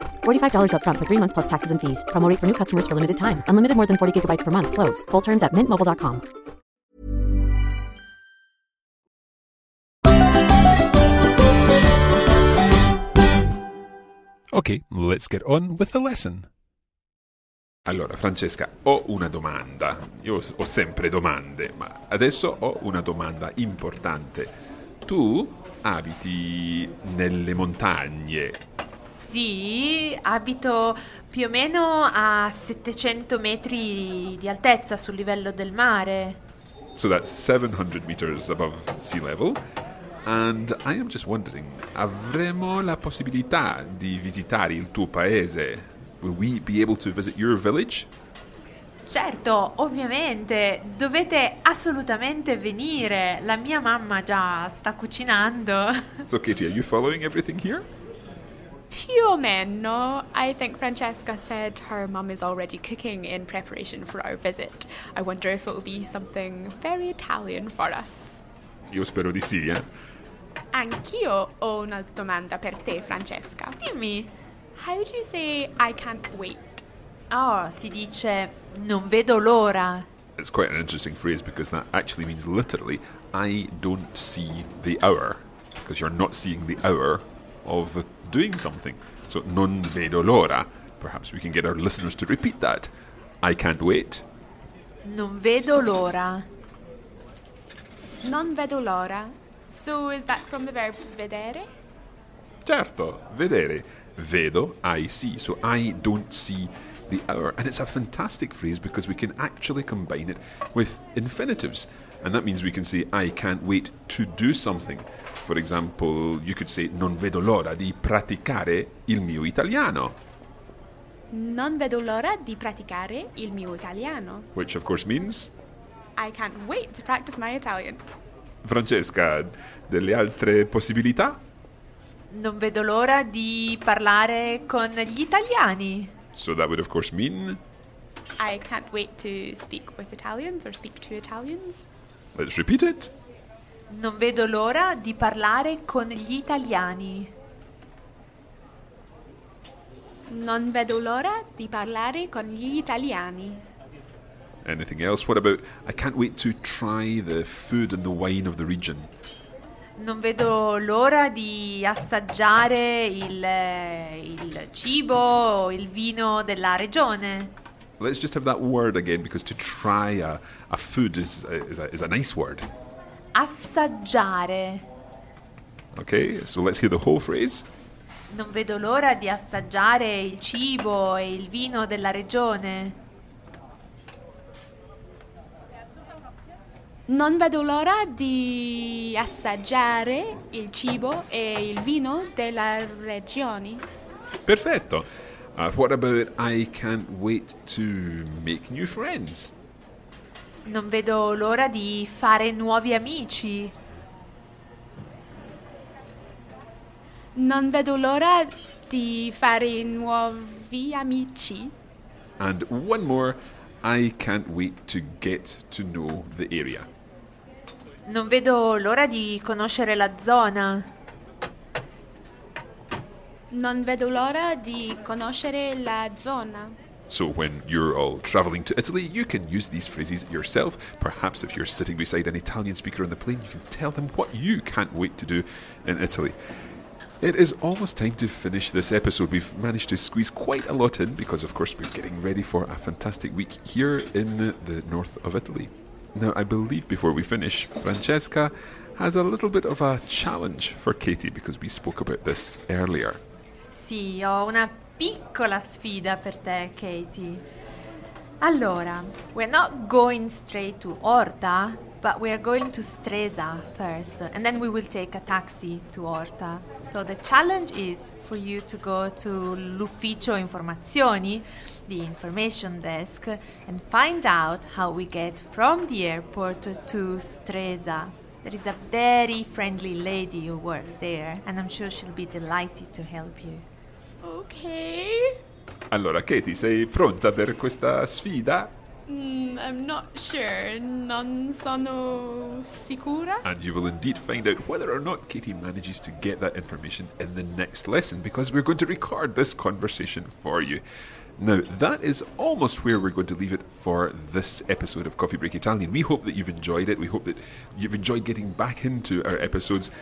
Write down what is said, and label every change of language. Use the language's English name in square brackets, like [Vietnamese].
[English] $45 up front for 3 months plus taxes and fees. Promo rate for new customers for limited time. Unlimited more than 40 gigabytes per month. Slows full terms at mintmobile.com. Ok, let's get on with the lesson. [Italian] Allora, Francesca, ho una domanda. Io ho sempre domande, ma adesso ho una domanda importante. Tu abiti nelle montagne? Sì, abito più o meno a 700 metri di altezza sul livello del mare. [English] So that's 700 meters above sea level. And I am just wondering, [Italian] avremo la possibilità di visitare il tuo paese? [English] Will we be able to visit your village? [Italian] Certo, ovviamente, dovete assolutamente venire. La mia mamma già sta cucinando. [English] So Katie, are you following everything here? [Italian] Più o meno. [English] I think Francesca said her mum is already cooking in preparation for our visit. I wonder if it will be something very Italian for us. [Italian] Io spero di sì, eh. Anch'io ho una domanda per te, Francesca. Dimmi. [English] How do you say I can't wait? [Italian] Oh, si dice non vedo l'ora. [English] It's quite an interesting phrase because that actually means literally I don't see the hour, because you're not seeing the hour of doing something. So [Italian] non vedo l'ora. [English] Perhaps we can get our listeners to repeat that. I can't wait. [Italian] Non vedo l'ora. Non vedo l'ora. [English] So is that from the verb vedere? [Italian] Certo, vedere. Vedo, [English] I see. So I don't see the hour. And it's a fantastic phrase because we can actually combine it with infinitives. And that means we can say, I can't wait to do something. For example, you could say, [Italian] non vedo l'ora di praticare il mio italiano. Non vedo l'ora di praticare il mio italiano. [English] Which, of course, means? I can't wait to practice my Italian. [Italian] Francesca, delle altre possibilità? Non vedo l'ora di parlare con gli italiani. [English] So that would, of course, mean? I can't wait to speak with Italians or speak to Italians. Let's repeat it. [Italian] Non vedo l'ora di parlare con gli italiani. Non vedo l'ora di parlare con gli italiani. [English] Anything else? What about I can't wait to try the food and the wine of the region? [Italian] Non vedo l'ora di assaggiare il cibo, il vino della regione. [English] Let's just have that word again, because to try a food is a nice word. [Italian] Assaggiare. [English] Okay, so let's hear the whole phrase. [Italian] Non vedo l'ora di assaggiare il cibo e il vino della regione. Non vedo l'ora di assaggiare il cibo e il vino della regione. Perfetto. [English] What about I can't wait to make new friends? [Italian] Non vedo l'ora di fare nuovi amici. Non vedo l'ora di fare nuovi amici. [English] And one more, I can't wait to get to know the area. [Italian] Non vedo l'ora di conoscere la zona. Non vedo l'ora di conoscere la zona. [English] So when you're all traveling to Italy, you can use these phrases yourself. Perhaps if you're sitting beside an Italian speaker on the plane, you can tell them what you can't wait to do in Italy. It is almost time to finish this episode. We've managed to squeeze quite a lot in because, of course, we're getting ready for a fantastic week here in the north of Italy. Now, I believe before we finish, Francesca has a little bit of a challenge for Katie because we spoke about this earlier. [Italian] Sì, ho una piccola sfida per te, Katie. [English] Allora, we're not going straight to Orta, but we're going to Stresa first, and then we will take a taxi to Orta. So the challenge is for you to go to [Italian] l'ufficio informazioni, [English] the information desk, and find out how we get from the airport to Stresa. There is a very friendly lady who works there, and I'm sure she'll be delighted to help you. Ok. [Italian] Allora, Katie, sei pronta per questa sfida? [English] I'm not sure. [Italian] Non sono sicura. [English] And you will indeed find out whether or not Katie manages to get that information in the next lesson, because we're going to record this conversation for you. Now, that is almost where we're going to leave it for this episode of Coffee Break Italian. We hope that you've enjoyed it. We hope that you've enjoyed getting back into our episodes.